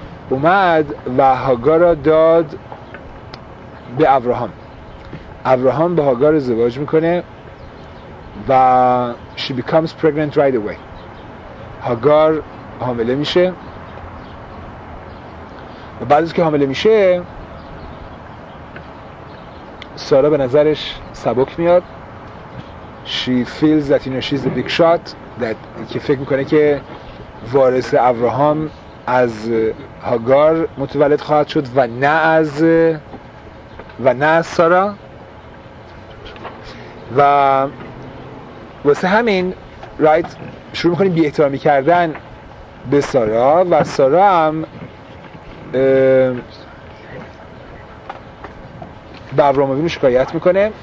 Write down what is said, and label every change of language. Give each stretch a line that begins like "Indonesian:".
Persian: اومد و هاگارا داد به ابراهام، ابراهام به هاگار ازدواج میکنه و
English: she becomes pregnant right away.
Persian: هاگار حامله میشه و بعد از که حامله میشه سارا به نظرش سبک میاد.
English: She feels that you know she's the big shot.
Persian: That که فکر میکنه که وارث ابراهام از هاگار متولد خواهد شد و نه از سارا. و واسه همین رایت شروع میکنیم بی‌احترامی کردن به سارا و سارا هم به ابراهامووینو شکایت میکنه.